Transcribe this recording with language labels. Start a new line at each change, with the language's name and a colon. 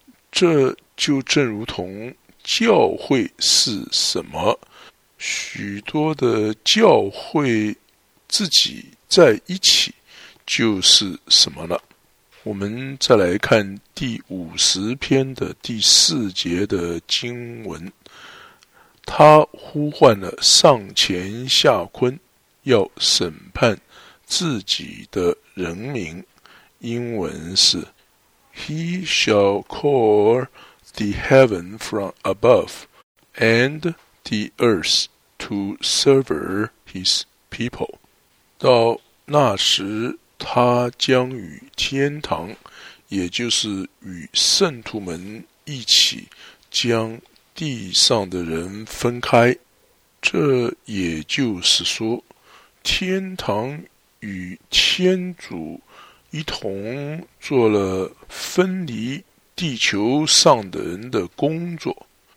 Chinese: 这就正如同教会是什么，许多的教会自己在一起就是什么了。我们再来看第五十篇的第四节的经文，他呼唤了上前下昆，要审判自己的人民。
English: 英文是 He shall call the heaven from above and the earth to sever his people。
Chinese: 到那时，他将与天堂，也就是与圣徒们一起，将地上的人分开。这也就是说，天堂与天主一同做了分离地球上的人的工作。